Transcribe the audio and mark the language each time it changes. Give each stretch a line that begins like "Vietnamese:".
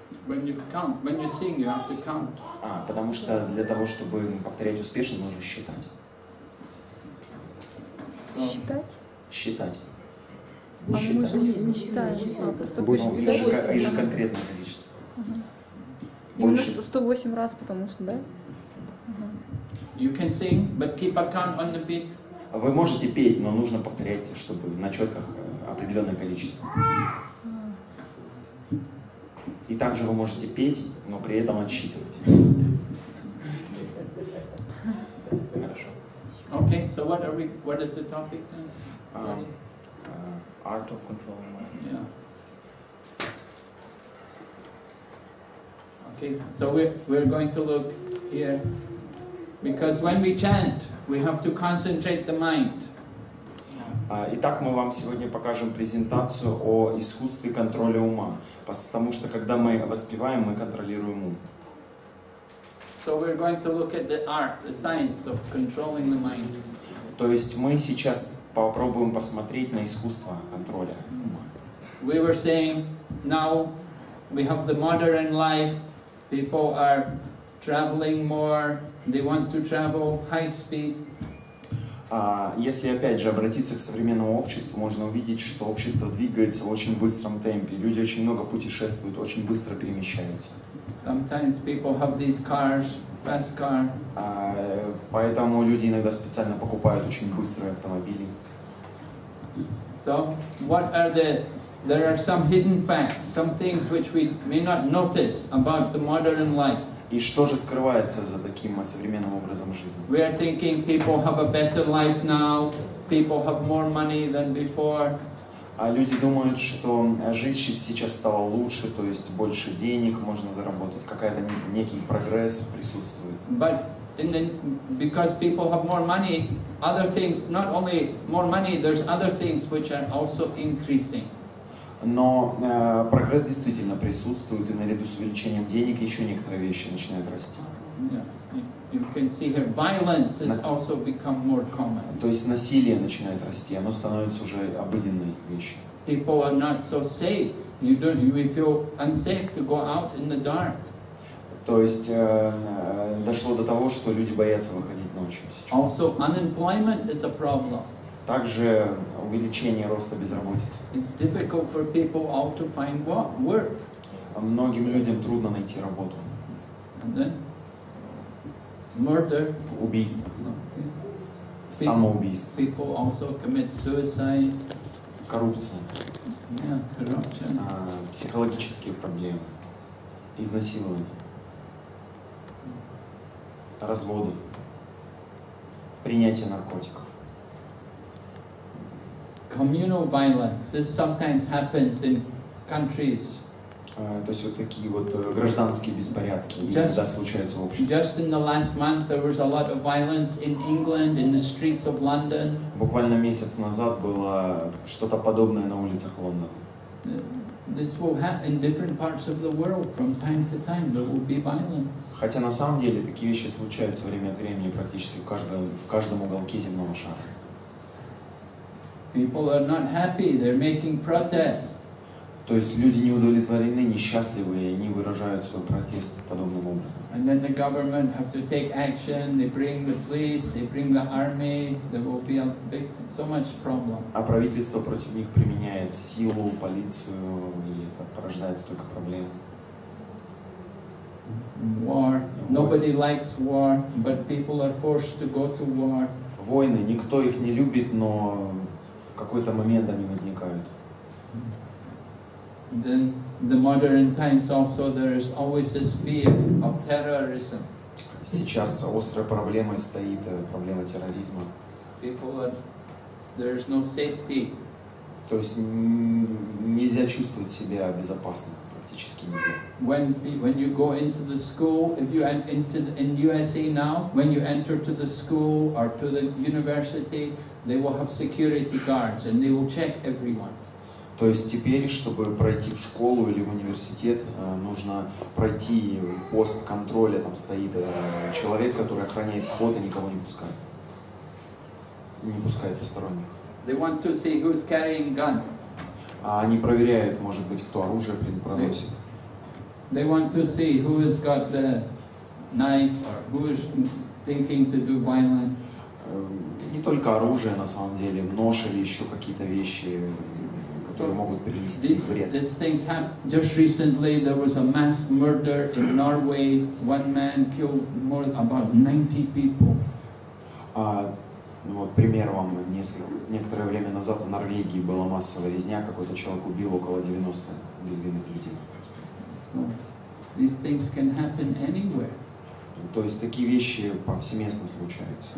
English: When you count, when you sing, you have to count.
Russian: А, потому что для того, чтобы повторять успешно, нужно считать. Считать? Считать. Считать. Мы же не считаем, что это. Это же конкретное количество. Угу. Больше. 108 раз, потому что, да?
English: You can sing, but keep a count on the beat.
Russian: Вы можете петь, но нужно повторять, чтобы на четках определенное количество. И также вы можете петь, но при этом отсчитывать. Хорошо.
English: Okay, so what are we, what is the topic then? Art of controlling mind. Yeah. Okay, so we're going to look here. Because when we chant, we have to concentrate the mind.
Russian: Итак, мы вам сегодня покажем презентацию о искусстве контроля ума. Потому что когда мы воспеваем, мы контролируем ум.
English: So we're going to look at the art, the science of controlling the mind.
Russian: То есть мы сейчас попробуем посмотреть на искусство контроля ума.
English: We were saying now we have the modern life, people are traveling more, they want to travel high speed.
Russian: Если опять же обратиться к современному обществу, можно увидеть, что общество двигается в очень быстром темпе. Люди очень много путешествуют, очень быстро перемещаются.
English: Sometimes people have these cars. Fast car.
Russian: Поэтому люди иногда специально покупают очень быстрые автомобили.
English: So, what are the? There are some hidden facts, some things which we may not notice about the modern life.
Russian: И что же скрывается за таким современным образом жизни?
English: We are thinking people have a better life now. People have more money than before.
Russian: А люди думают, что жизнь сейчас стала лучше, то есть больше денег можно заработать, какая-то некий прогресс присутствует.
English: But and then because people have more money, other things, not only more money, there's other things which are also increasing.
Russian: Но прогресс действительно присутствует, и наряду с увеличением денег еще некоторые вещи начинают расти.
English: Yeah. You can see here violence has also become more common.
Russian: То есть насилие начинает расти, оно становится уже обыденной вещью.
English: People are not so safe. You don't, you feel unsafe to go out in the dark.
Russian: То есть дошло до того, что люди боятся выходить ночью сейчас.
English: Also unemployment is a problem.
Russian: Также увеличение роста безработицы.
English: It's difficult for people all to find work.
Russian: Многим людям трудно найти работу.
English: Murder.
Russian: Убийство. Okay. Самоубийство.
English: People also commit suicide.
Russian: Коррупция.
English: Yeah, corruption.
Russian: Психологические проблемы. Изнасилование. Разводы. Принятие наркотиков.
English: Communal violence. This sometimes happens in countries.
Russian: То есть вот такие вот гражданские беспорядки иногда случаются в обществе.
English: Just in the last month there was a lot of violence in England, in the streets of London.
Russian: Буквально месяц назад было что-то подобное на улицах Лондона.
English: This will happen in different parts of the world from time to time. There will be violence.
Russian: Хотя на самом деле такие вещи случаются время от времени практически в каждом уголке земного шара.
English: People are not happy. They're making protests.
Russian: То есть люди не удовлетворены, несчастливы, и они выражают свой протест подобным образом.
English: And then the government have to take action. They bring the police, they bring the army. There will be a big, so much problem.
Russian: А правительство против них применяет силу, полицию, и это порождает столько проблем.
English: War. Nobody likes war, but people are forced to go to war.
Russian: Войны. Никто их не любит, но в какой-то момент они возникают.
English: Then the modern times also there is always this fear of terrorism.
Russian: Сейчас острой проблемой стоит проблема терроризма.
English: There is no safety.
Russian: То есть нельзя чувствовать себя безопасно практически нигде.
English: When you go into the school, if you enter in USA now, when you enter to the school or to the university, they will have security guards and they will check everyone.
Russian: То есть теперь, чтобы пройти в школу или в университет, нужно пройти пост контроля, там стоит человек, который охраняет вход и никого не пускает. Не пускает посторонних.
English: They want to see who's carrying gun.
Russian: Они проверяют, может быть, кто оружие приносит.
English: They want to see who has got the knife or who is thinking to do violence.
Russian: Не только оружие, на самом деле, нож или еще какие-то вещи, которые могут принести вред.
English: These things happened. Just recently there was a mass murder in Norway. One man killed more about 90 people.
Russian: Ну вот пример вам, некоторое время назад в Норвегии была массовая резня, какой-то человек убил около 90 безвинных людей.
English: So, these things can happen anywhere.
Russian: То есть такие вещи повсеместно случаются.